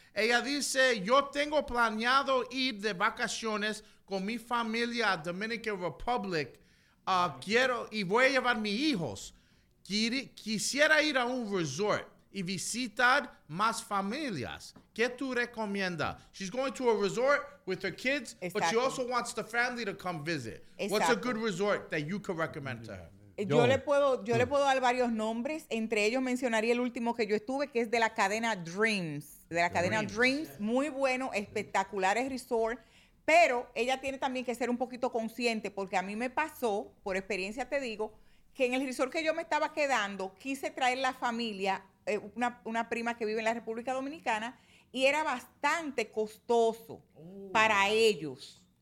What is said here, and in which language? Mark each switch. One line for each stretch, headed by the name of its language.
Spanish: Ella dice, yo tengo planeado ir de vacaciones con mi familia a Dominican Republic. Quiero y voy a llevar mis hijos. Quisiera ir a un resort y visitar más familias. ¿Qué tú recomiendas?
English: She's going to a resort with her kids,
Spanish: exacto,
English: but she also wants the family to come visit.
Spanish: Exacto.
English: What's a good resort that you could recommend to her?
Spanish: Yo le puedo dar varios nombres. Entre ellos mencionaría el último que yo estuve, que es de la cadena Dreams. De la cadena Dreams. Muy bueno, espectacular el resort. Pero ella tiene también que ser un poquito consciente, porque a mí me pasó, por experiencia te digo, que en el resort que yo me estaba quedando, quise traer la familia, una prima que vive en la República Dominicana, y era bastante costoso para ellos.